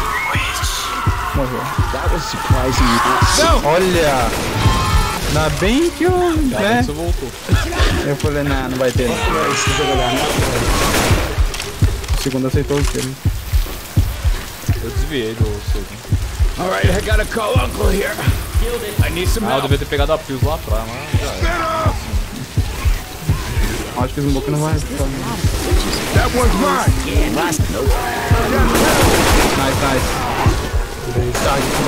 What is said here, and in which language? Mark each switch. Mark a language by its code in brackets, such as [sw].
[en] Witch. [pt] Morreu. [en] That was surprising. [pt] Não. Olha. Ainda bem que eu, né? Já, você voltou. Eu falei, não vai ter. O segundo aceitou o tiro. Eu desviei do segundo. [en] Alright, I gotta call uncle here. I need some help. [pt] Eu devia ter pegado a pills lá atrás, mas... Acho que esse moco não vai ficar. [en] That one's mine! Nice. Charge.